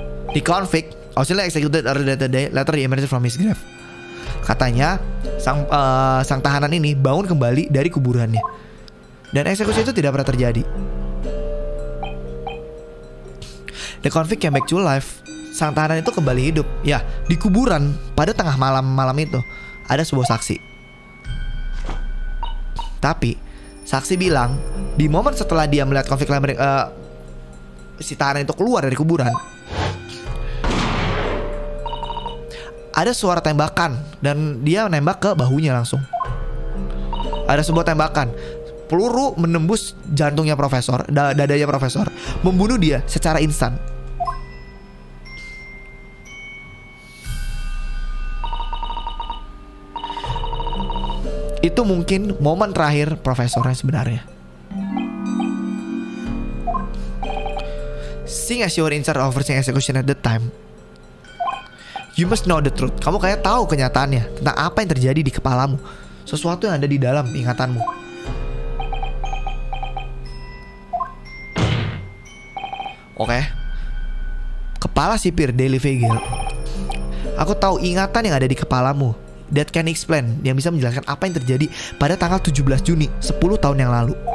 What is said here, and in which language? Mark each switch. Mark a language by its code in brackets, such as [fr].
[en] The convict also executed earlier that day, later he emerged from his grave. [id] Katanya sang tahanan ini bangun kembali dari kuburannya. Dan eksekusi itu tidak pernah terjadi. [en] The convict came back to life. [id] Sang tahanan itu kembali hidup. Ya, di kuburan pada tengah malam-malam itu ada sebuah saksi. Tapi saksi bilang di momen setelah dia melihat konflik si tahanan itu keluar dari kuburan, ada suara tembakan dan dia menembak ke bahunya langsung. Ada sebuah tembakan, peluru menembus jantungnya profesor, dadanya profesor, membunuh dia secara instan. Itu mungkin momen terakhir profesornya sebenarnya. [en] Seeing as you were in charge of overseeing execution at the time, you must know the truth. [id] Kamu kayak tahu kenyataannya tentang apa yang terjadi di kepalamu, sesuatu yang ada di dalam ingatanmu. Okay. Kepala sipir Daily Vigil, aku tahu ingatan yang ada di kepalamu [en] that can explain, [id] yang bisa menjelaskan apa yang terjadi pada tanggal 17 Juni 10 tahun yang lalu.